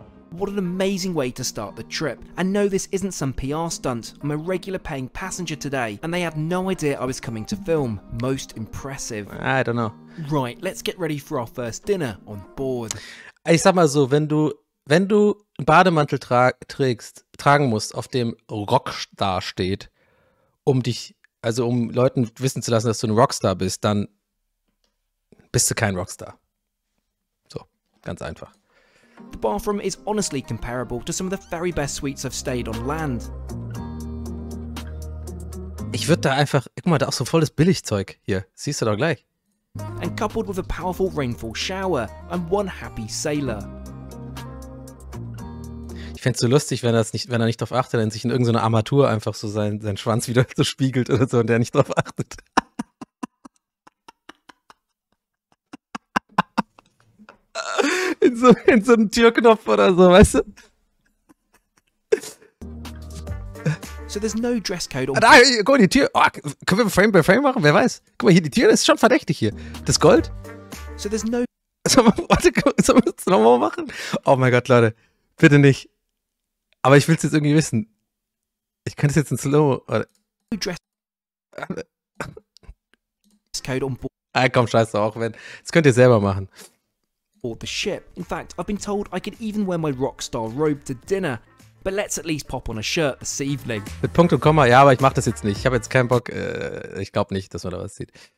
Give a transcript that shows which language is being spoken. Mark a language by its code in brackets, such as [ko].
[en] What an amazing way to start the trip. And no, this isn't some PR stunt. I'm a regular paying passenger today, and they had no idea I was coming to film. Most impressive. I don't know. Right, let's get ready for our first dinner on board. [de] Ich sag mal so, wenn du einen Bademantel tragen musst, auf dem Rockstar steht, um Leuten wissen zu lassen, dass du ein Rockstar bist, dann bist du kein Rockstar. So, ganz einfach. [en] The bathroom is honestly comparable to some of the very best suites I've stayed on land. [de] Ich würde da einfach, guck mal, da ist so volles Billigzeug hier. Siehst du doch gleich. [en] And coupled with a powerful rainfall shower and one happy sailor. [de] Ich fände es so lustig, wenn er nicht drauf achtet, wenn sich in irgendeiner Armatur einfach so sein Schwanz wieder so spiegelt oder so und der nicht drauf achtet. In so einem Türknopf oder so, weißt du? [en] So there's no dress code on. [de] Ah, guck mal, die Tür. Oh, können wir Frame by Frame machen? Wer weiß. Guck mal, hier die Tür, das ist schon verdächtig hier. Das Gold? [en] So there's no. [de] Sollen wir das nochmal machen? Oh mein Gott, Leute. Bitte nicht. Aber ich will es jetzt irgendwie wissen. Ich könnte es jetzt in Slow. [en] Code on board. [de] Ah, komm, scheiß doch auch, wenn. Das könnt ihr selber machen. [en] The ship. In fact, I've been told I could even wear my Rockstar robe to dinner. but let's at least pop on a shirt this evening. [de] Mit Punkt und Komma, ja, aber ich mach das jetzt nicht. Ich habe jetzt keinen Bock. Ich glaube nicht, dass man da was sieht.